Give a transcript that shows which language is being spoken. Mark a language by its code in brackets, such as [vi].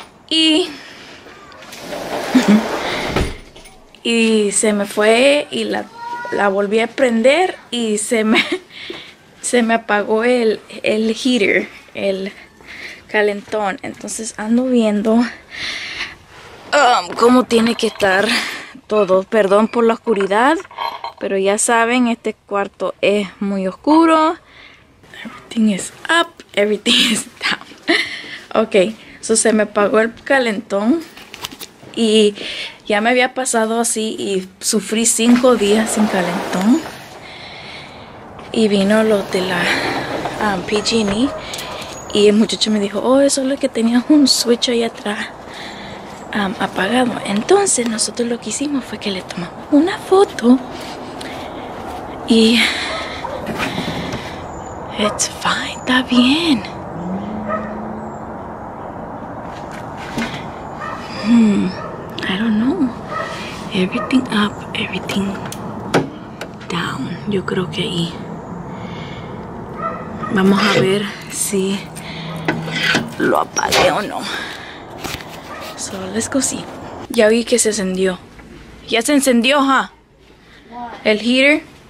[es] Y se me fue y la volví a prender y se me apagó el heater, el calentón. Entonces ando viendo cómo tiene que estar todo. Perdón por la oscuridad, pero ya saben, este cuarto es muy oscuro. [en] Everything is up, everything is down. Ok, so [es] se me apagó el calentón y ya me había pasado así y sufrí 5 días sin calentón. Y vino lo de la PG&E y el muchacho me dijo, oh, eso es lo que tenía un switch ahí atrás. Apagado. Entonces nosotros lo que hicimos fue que le tomamos una foto y [en] it's fine, [es] está bien. [en] I don't know, everything up, everything down. [es] Yo creo que ahí vamos a ver si lo apagué o no. [en] So, let's go see. [es] Ya vi que se encendió. Ya se encendió, ¿ha? El heater.